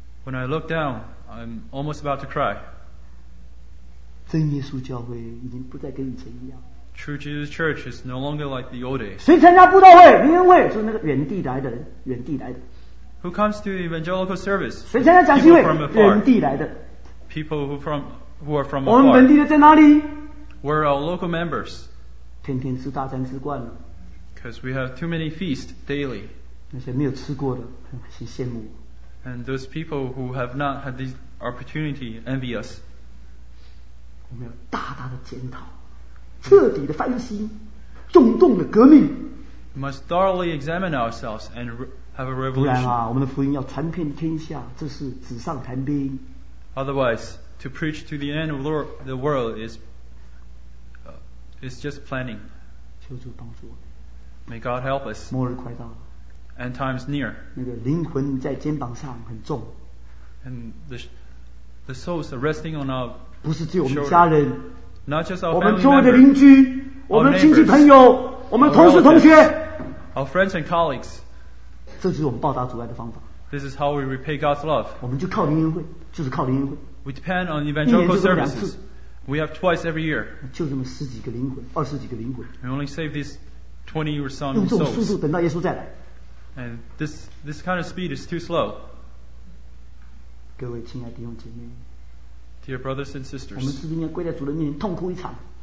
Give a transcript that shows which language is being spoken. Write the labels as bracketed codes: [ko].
[en] When I look down, I'm almost about to cry. [zh] 真耶稣教会已经不再跟以前一样。 [en] True Jesus Church is no longer like the old days. [zh] 谁参加布道会、灵恩会？就是那个远地来的人，远地来的。 [en] Who comes to the evangelical service? [zh] 谁参加讲习会？远地来的。 [en] People who are from afar. [zh] 我们本地的在哪里？ [en] Where are our local members? [zh] 天天吃大餐吃惯了。 [en] Because we have too many feasts daily. [zh] 那些没有吃过的很羡慕。 [en] And those people who have not had this opportunity envy us. [zh] 我们要大大的检讨，彻底的翻新，重重的革命。 [en] We must thoroughly examine ourselves and have a revolution. [zh] 不然啊，我们的福音要传遍天下，这是纸上谈兵。 [en] Otherwise, to preach to the end of the world is just planning. [zh] 求主帮助我。 [en] May God help us. [zh] 末日快到了。 [en] And time is near. [zh] 那个灵魂在肩膀上很重。 [en] And the souls are resting on our shoulders. [zh] 不是只有我们家人。 [en] Not just our family. [zh] 我们周围的邻居，我们亲戚朋友，我们同事同学。 [en] Our friends and colleagues. [zh] 这就是我们报答主爱的方法。 [en] This is how we repay God's love. [zh] 我们就靠灵恩会，就是靠灵恩会。 [en] We depend on evangelical services. We have twice every year. [zh] 就这么十几个灵魂，二十几个灵魂。 [en] We only save these 20 or so souls. [zh] 用这种速度等到耶稣再来。 [en] And this kind of speed is too slow. [zh] 各位亲爱的弟兄姐妹。 [en] Dear brothers and sisters. [zh] 我们是不是应该跪在主的面前痛哭一场？